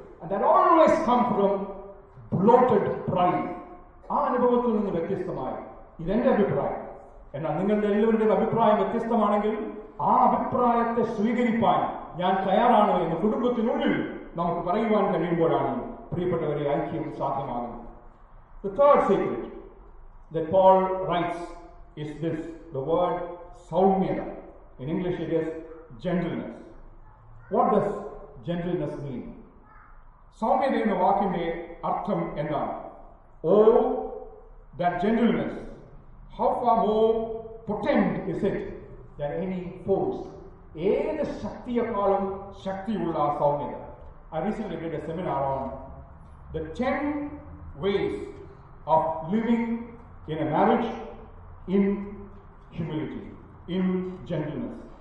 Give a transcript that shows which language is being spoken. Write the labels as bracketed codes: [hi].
[en] And that always comes from bloated pride. [ml] ആ അനുഭവത്തിൽ നിന്ന് വ്യത്യസ്തമായി ഇതെന്റെ അഭിപ്രായം. എന്നാൽ നിങ്ങളുടെ എല്ലാവരുടെയും അഭിപ്രായം വ്യത്യസ്തമാണെങ്കിൽ ആ അഭിപ്രായത്തെ സ്വീകരിപ്പാൻ ഞാൻ തയ്യാറാണ് എന്ന് കുടുംബത്തിനുള്ളിൽ നമുക്ക് പറയുവാൻ കഴിയുമ്പോഴാണ് പ്രിയപ്പെട്ടവരെ ഐക്യം സാധ്യമാകുന്നത്. [en] The third secret that Paul writes is this, the word saumyada. In English it is gentleness. What does gentleness mean? [ml] സൗമ്യത എന്ന വാക്കിന്റെ അർത്ഥം എന്താണ്? [en] Oh that gentleness, how far more potent is it than any force. [ml] ഏത് ശക്തിയെക്കാളും ശക്തിയുള്ള സൗമ്യത. [en] I recently did a seminar on the 10 ways of living in a marriage in humility, in gentleness.